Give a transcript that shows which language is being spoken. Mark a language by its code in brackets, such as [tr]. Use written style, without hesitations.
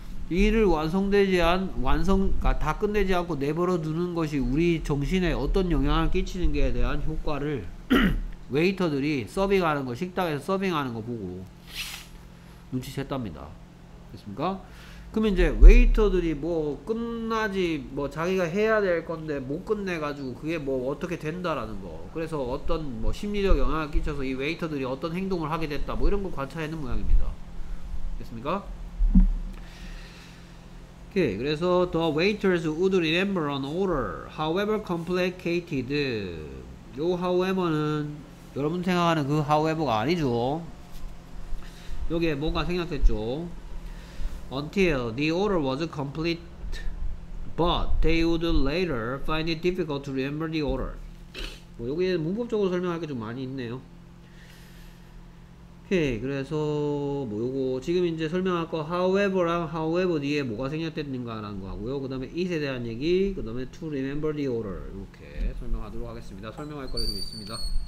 [ko] 일을 완성 다 끝내지 않고 내버려 두는 것이 우리 정신에 어떤 영향을 끼치는 게에 대한 효과를 웨이터들이 서빙하는 거, 식당에서 서빙하는 거 보고 눈치챘답니다. 됐습니까? 그러면 이제 웨이터들이 뭐 끝나지 뭐 자기가 해야 될 건데 못 끝내가지고 그게 뭐 어떻게 된다라는 거, 그래서 어떤 뭐 심리적 영향을 끼쳐서 이 웨이터들이 어떤 행동을 하게 됐다 뭐 이런 걸 관찰하는 모양입니다. 됐습니까? 오케이. 그래서 [en] the waiters would remember an order however complicated. [ko] 요 however는 여러분 생각하는 그 however가 아니죠. 여기에 뭔가 생각했죠. [en] Until the order was complete, but they would later find it difficult to remember the order. [ko] 뭐 여기에 문법적으로 설명할 게 좀 많이 있네요. 오케이. 그래서 뭐 요거 지금 이제 설명할 거 however랑 however 뒤에 뭐가 생략됐는가라는 거 하고요. 그 다음에 it에 대한 얘기, 그 다음에 [en] to remember the order [ko] 이렇게 설명하도록 하겠습니다. 설명할 거 좀 있습니다.